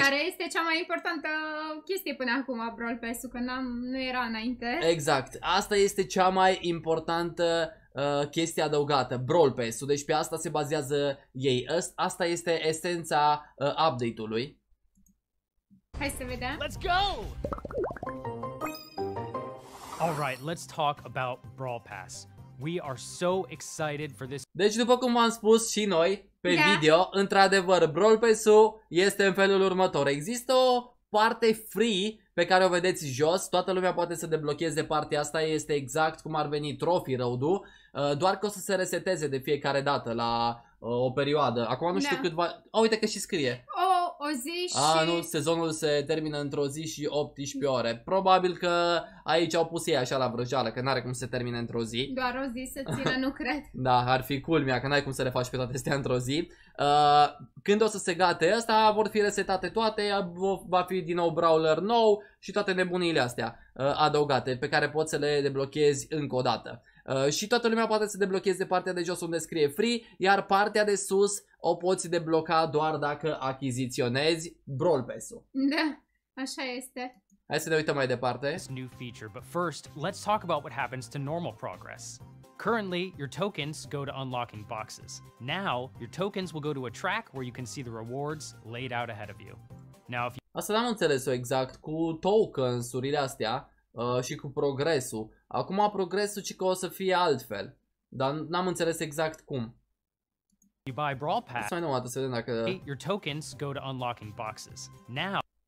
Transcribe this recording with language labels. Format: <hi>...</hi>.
<ro>care este cea mai importantă chestie până acum, Brawl Pass-ul, că nu era înainte. Exact. Asta este cea mai importantă chestia adăugată, Brawl Pass-ul. Deci pe asta se bazează ei. Asta este esența update-ului. Hai să vedem.</ro> <en>Let's go! All right, let's talk about Brawl Pass. We are so excited for this.</en> <ro>Deci după cum v-am spus și noi pe video, într-adevăr, Brawl Pass-ul este în felul următor. Există o parte free pe care o vedeți jos, toată lumea poate să deblocheze partea asta, este exact cum ar veni Trophy Road-ul, doar că o să se reseteze de fiecare dată la o perioadă. Acum nu știu cât va... Oh, uite că și scrie. O zi și... Ah, nu, sezonul se termină într-o zi și 18 ore. Probabil că aici au pus ei așa la vrăjeală, că n-are cum să se termine într-o zi. Doar o zi să țină, nu cred. Da, ar fi culmea, că n-ai cum să le faci pe toate astea într-o zi. Când o să se gate asta, vor fi resetate toate, va fi din nou brawler nou și toate nebunile astea adăugate, pe care poți să le deblochezi încă o dată. Și toată lumea poate să deblocheze partea de jos unde scrie free, iar partea de sus o poți debloca doar dacă achiziționezi Brawl Pass-ul. Da, așa este. Hai să ne uităm mai departe.</ro> <en>This new feature, but first, let's talk about what happens to normal progress. Currently, your tokens go to unlocking boxes. Now, your tokens will go to a track where you can see the rewards laid out ahead of you. Now, if you...</en> <ro>Asta n-am înțeles-o exact cu tokens-urile astea și cu progresul. Acum progresul ci că o să fie altfel. Dar n-am înțeles exact cum.</ro> <en>You buy Brawl Pass.</en> <ro>Să mai numai, să vedem dacă...</ro> <en>Your tokens go to unlocking boxes. Now...</en>